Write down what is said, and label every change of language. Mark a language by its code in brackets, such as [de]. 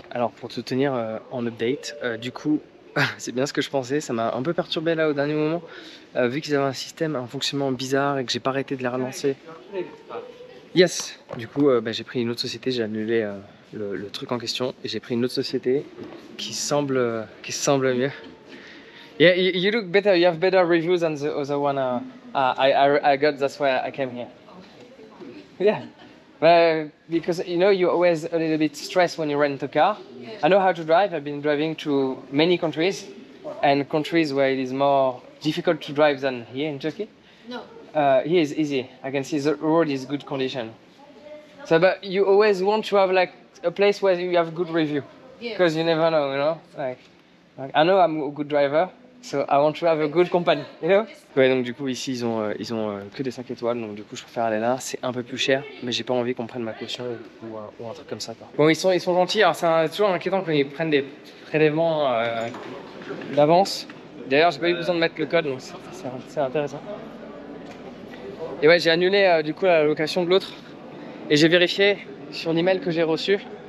[fr] Alors, pour te tenir en update, du coup. C'est bien ce que je pensais, ça m'a un peu perturbé là au dernier moment vu qu'ils avaient un système, un fonctionnement bizarre et que j'ai pas arrêté de les relancer. Yes. Du coup j'ai pris une autre société, j'ai annulé le truc en question et j'ai pris une autre société qui semble mieux. [en] Yeah, you look better, you have better reviews than the other one I got, that's why I came here. Yeah. Well, because you know, you're always a little bit stressed when you rent a car. Yes. I know how to drive. I've been driving to many countries, and countries where it is more difficult to drive than here in Turkey. No. Here is easy. I can see the road is good condition. So, but you always want to have like a place where you have good review, because You never know, you know. Like, I know I'm a good driver, so I want to have a good company, you know. [fr] Ouais, donc du coup ici ils ont que des 5 étoiles, donc du coup je préfère aller là, c'est un peu plus cher, mais j'ai pas envie qu'on prenne ma caution ou un truc comme ça quoi. Bon, ils sont gentils, alors c'est toujours inquiétant quand ils prennent des prélèvements d'avance. D'ailleurs j'ai pas eu besoin de mettre le code, donc c'est intéressant. Et ouais, j'ai annulé du coup la location de l'autre, et j'ai vérifié sur l'email que j'ai reçu.